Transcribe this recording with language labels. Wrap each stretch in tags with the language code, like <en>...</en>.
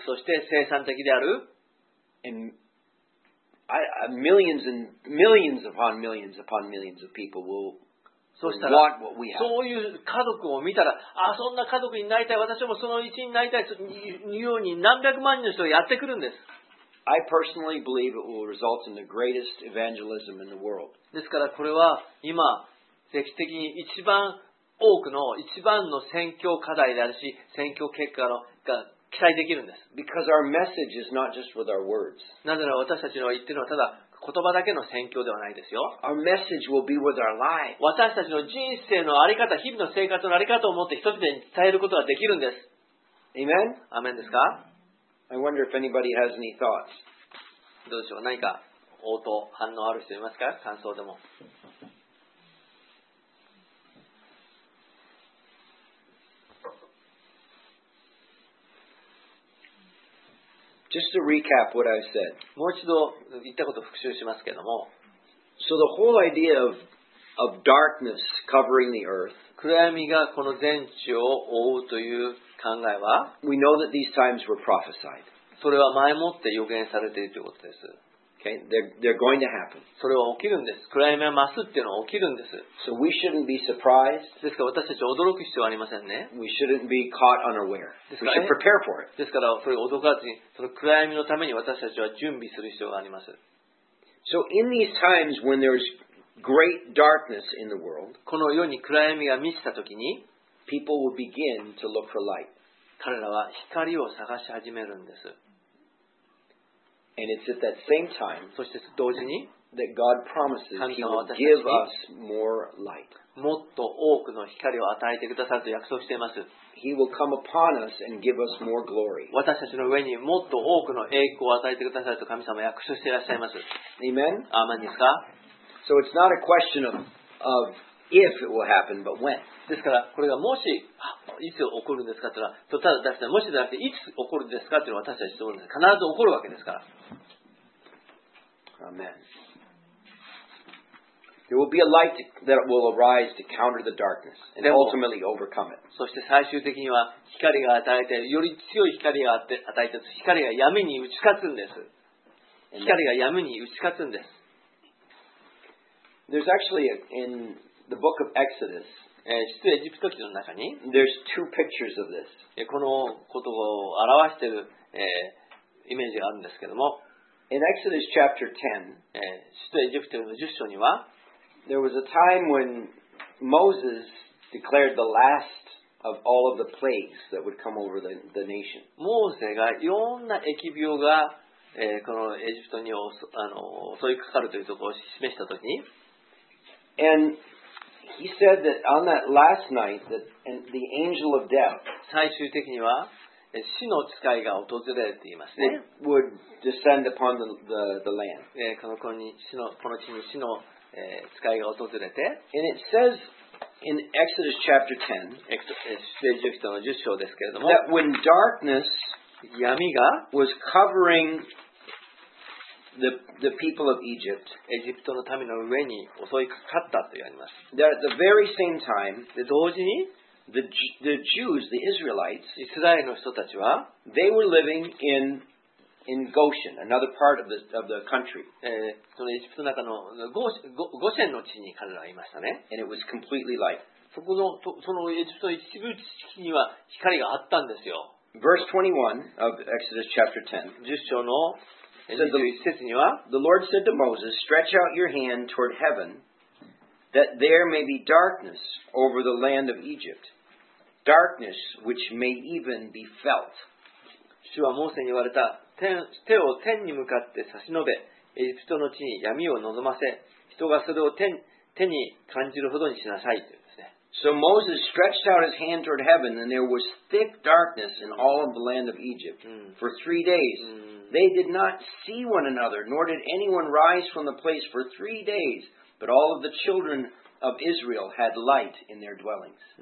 <ja>そして生産的である、</ja> <en>and millions and millions upon millions upon millions of people will want what we have.</en> <ja>そういう家族を見たら、あ、そんな家族になりたい、私もその一員になりたいというように何百万人の人がやってくるんです。</ja> <en>I personally believe it will result in the greatest evangelism in the world.</en> <ja>ですからこれは今歴史的に一番多くの一番の宣教課題であるし、宣教結果のが期待できるんです。</ja> <en>Because our message is not just with our words.</en> <ja>なぜなら私たちの言ってるのはただ言葉だけの宣教ではないですよ。</ja> <en>Our message will be with our lives.</en> <ja>私たちの人生のあり方、日々の生活のあり方を持って一つで伝えることができるんです。</ja> <en>Amen?</en> <ja>アメンですか？</ja> <en>I wonder if anybody has any thoughts.</en> <ja>どうでしょう？何か応答、反応ある人いますか？感想でも。</ja> <en>Just to recap what I've said.</en> <ja>もう一度言ったことを復習しますけれども。</ja> <en>So the whole idea of darkness covering the earth.</en> <ja>暗闇がこの全地を覆うという考えは。</ja> <en>We know that these times were prophesied.</en> <ja>それは前もって予言されているということです。</ja> <en>Okay, they're going to happen.</en> <ja>それは起きるんです。暗闇が増すっていうのは起きるんです。</ja> <en>So we shouldn't be surprised.</en> <ja>ですから私たちは驚く必要はありませんね。</ja> <en>We shouldn't be caught unaware.</en> <ja>ですから、</ja> <en>we should prepare for it.</en> <ja>ですからそれを驚かずに、その暗闇のために私たちは準備する必要があります。</ja> <en>So in these times when there's great darkness in the world,</en> <ja>この世に暗闇が満ちたときに、</ja> <en>people will begin to look for light.</en> <ja>彼らは光を探し始めるんです。</ja> <en>And it's at that same time,</en> <ja>そして同時に、</ja> <en>that God promises He will give us more light.</en> <ja>もっと多くの光を与えてくださると約束しています。</ja> <en>He will come upon us and give us more glory.</en> <ja>私たちの上にもっと多くの栄光を与えてくださると神様は約束していらっしゃいます。</ja> <en>Amen?</en> <ja>アーメンですか?</ja> <en>So it's not a question of if it will happen, but when.</en> <ja>ですから、これがもし、いつ起こるんですかというのは、とただ出して、もしじゃなくて、いつ起こるんですかというのは私たちと思うんです。必ず起こるわけですから。</ja> <en>Amen. There will be a light that will arise to counter the darkness and ultimately overcome it.</en> <ja>そして最終的には、光が与えて、より強い光があって与えて、光が闇に打ち勝つんです。光が闇に打ち勝つんです。</ja> <en>There's actually in the book of Exodus,</en> <ja>出エジプト記の中に</ja> <en>There's two pictures of this.</en> <ja>このことを表している、イメージがあるんですけども</ja> <en>In Exodus chapter 10,</en> <ja>出エジプトの10章には</ja> <en>There was a time when Moses declared the last of all of the plagues that would come over the nation.</en> <ja>モーセがいろんな疫病が、このエジプトに襲いかかるというところを示したときに</ja> <en>AndHe said that on that last night, that the angel of death,</en> <ja>最終的には死の使いが訪れると言いますね。</ja> <en>Would descend upon the land.</en> <ja>この地に死の使いが訪れて。</ja> <en>And it says in Exodus chapter 10,</en> <ja>エジプトの10章ですけれども、</ja> <en>that when darkness,</en> <ja>闇が</ja> <en>was covering The people of Egypt,</en> <ja>エジプトの民の上に襲いかかったと言われます。</ja> <en>At the very same time,</en> <ja>同時に</ja> <en>the Jews, the Israelites,</en> <ja>イスラエルの人たちは</ja> <en>they were living in in Goshen, another part of the country.</en> <ja>そのエジプトの中のゴシェンの地に彼らはいましたね。</ja> <en>And it was completely light.</en> <ja>そのエジプトの一部地には光があったんですよ。</ja> <en>Verse 21 of Exodus chapter 10.</en> <ja>十章の21節には、</ja> <en>The Lord said to Moses, stretch out your hand toward heaven, that there may be darkness over the land of Egypt, darkness which may even be felt.</en> <ja>主はモーセに言われた、手を天に向かって差し伸べ、エジプトの地に闇を望ませ、人がそれを 手に感じるほどにしなさいというですね。</ja> <en>So Moses stretched out his hand toward heaven, and there was thick darkness in all of the land of Egypt for three days. They did not see one another, nor did anyone rise from the place for three days, but all of the children of Israel had light in their dwellings.</en>